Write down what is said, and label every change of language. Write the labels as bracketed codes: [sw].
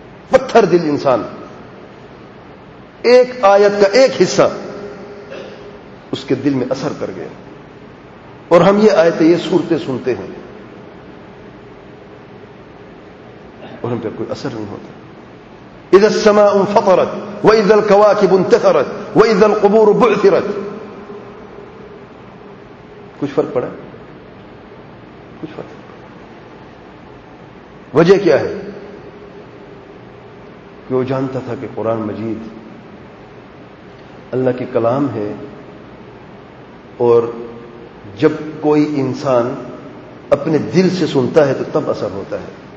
[ur] پتھر دل انسان, ایک آیت کا ایک حصہ اس کے دل میں اثر کر گیا. اور ہم یہ آیتیں یہ صورتیں سنتے ہیں اور ہم پہ کوئی اثر نہیں ہوتا. [ar] اذا السماء انفطرت واذا الكواكب انتثرت واذا القبور بعثرت, [ur] کچھ فرق پڑا؟ کچھ فرق. وجہ کیا ہے کہ وہ جانتا تھا کہ قرآن مجید اللہ کے کلام ہے اور جب کوئی انسان اپنے دل سے سنتا ہے تو تب اثر ہوتا ہے.